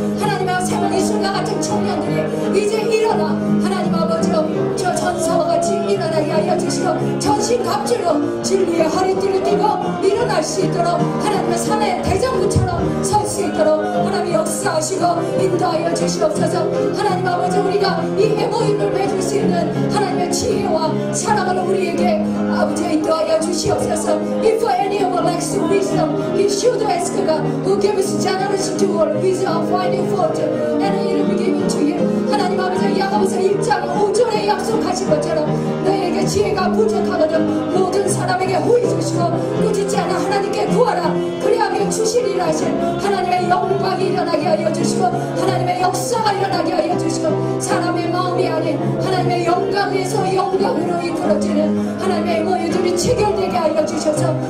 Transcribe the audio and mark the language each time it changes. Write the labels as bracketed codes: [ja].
[ko] 하나님의 새로운 이슬과 같은 청년들이 이제 일어나 하나님 아버지로 저 전사와 같이 일어나게 하여 주시고 전신갑질로 진리의 허리띠를 띠고 일어날 수 있도록 하나님의 산의 대장부처럼 설 수 있도록 하나님 역사하시고 인도하여 주시옵소서. 하나님 아버지 우리가 이 모임을 맺을 수 있는 하나님의 지혜와 사랑을 우리에게 아버지 인도하여 주시옵소서. [en] If any of us lacks wisdom, he should ask God who gives generously to all without finding fault, and it will be given to you. [ko] 하나님 아버지 야고보서 1장 5절에 약속하신 것처럼 너에게 지혜가 부족하거든 모든 사람에게 후히 주시고 꾸짖지 않아 하나님께 구하라 그리하면 주시리라 하신 하나님의 영광이 일어나게 하여 주시고 하나님의 역사가 일어나게 하여 주시고 사람의 마음이 아닌 하나님의 영광에서 영광으로 이끌어지는 하나님의 모여들이 체결되게 하여 주셔서